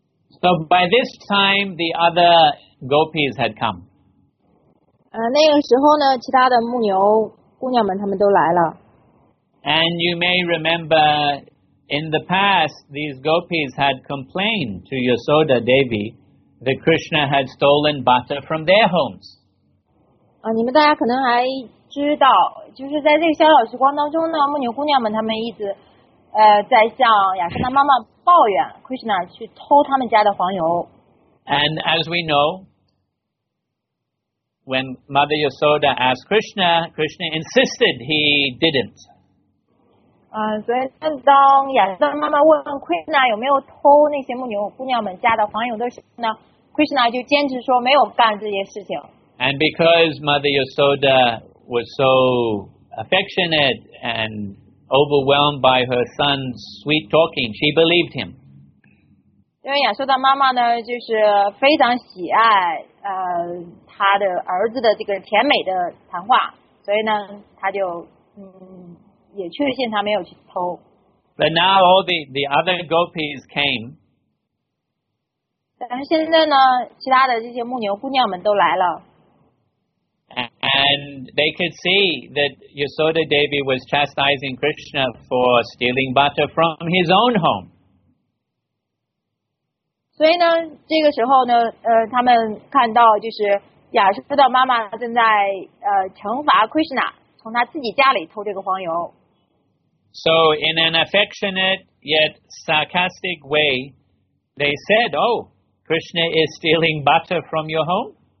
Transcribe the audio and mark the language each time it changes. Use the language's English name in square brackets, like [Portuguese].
[English] So by this time, the other gopis had come. [Chinese] 那个时候呢，其他的牧牛姑娘们他们都来了。 [English] And you may remember, in the past, these gopis had complained to Yasoda Devi that Krishna had stolen butter from their homes. [Chinese] 你们大家可能还知道，就是在这个小小时光当中呢，牧牛姑娘们他们一直在向亚瑟的妈妈抱怨 Krishna 去偷他们家的黄油。 [English] And as we know,When Mother Yasoda asked Krishna, Krishna insisted he didn't. [Chinese] 所以当亚瑟妈妈问 Krishna 有没有偷那些牧牛姑娘们家的黄油的时候呢， Krishna 就坚持说没有干这些事情。 [English] And because Mother Yasoda was so affectionate and overwhelmed by her son's sweet talking, she believed him. [Chinese] 因为亚瑟的妈妈呢，就是非常喜爱她的儿子的这个甜美的谈话，所以呢，她就也确信他没有去偷。 [English] But now all the other gopis came. [Chinese] 但是现在呢，其他的这些牧牛姑娘们都来了。 [English] And they could see that Yasoda Devi was chastising Krishna for stealing butter from his own home. [Chinese] 所以呢，这个时候呢，他们看到就是亚瑟的妈妈正在惩罚 Krishna， 从他自己家里偷这个黄油。 [English] So in an affectionate yet sarcastic way, they said, "Oh, Krishna is stealing butter from your home."